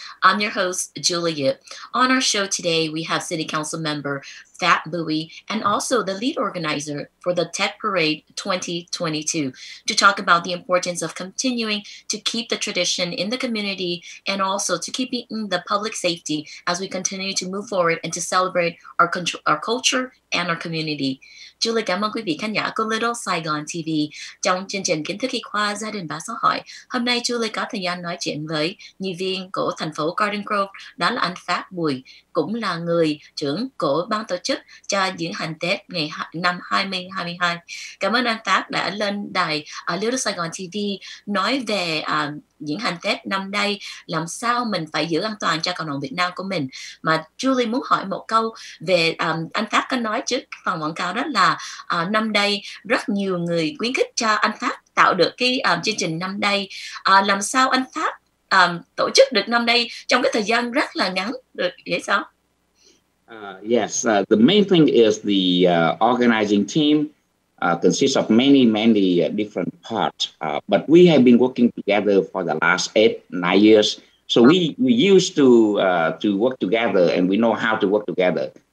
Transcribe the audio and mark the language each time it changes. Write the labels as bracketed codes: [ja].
[en] I'm your host, Julia Yip. On our show today, we have City Council member Fat Bui and also the lead organizer for the Tech Parade 2022 to talk about the importance of continuing to keep the tradition in the community and also to keep the public safety as we continue to move forward and to celebrate our culture and our community. [vi] Julia, cảm ơn quý vị khán giả của Little Saigon TV trong chương trình kiến thức y khoa gia đình và xã hội. Hôm nay Julie có thời gian nói chuyện với nhân viên của thành phố Garden Grove, đó là anh Phát Bùi, cũng là người trưởng của ban tổ chức cho diễn hành Tết ngày năm 2022. Cảm ơn anh Phát đã lên đài Little Saigon TV nói về diễn hành Tết năm nay, làm sao mình phải giữ an toàn cho cộng đồng Việt Nam của mình. Mà Julie muốn hỏi một câu về anh Phát có nói trước phần quảng cáo đó là năm nay rất nhiều người khuyến khích cho anh Phát tạo được cái chương trình năm nay. Làm sao anh Pháp tổ chức được năm nay trong cái thời gian rất là ngắn được vậy sao? [en] The main thing is the organizing team consists of many different parts, but we have been working together for the last 8-9 years. So we used to work together and we know how to work together.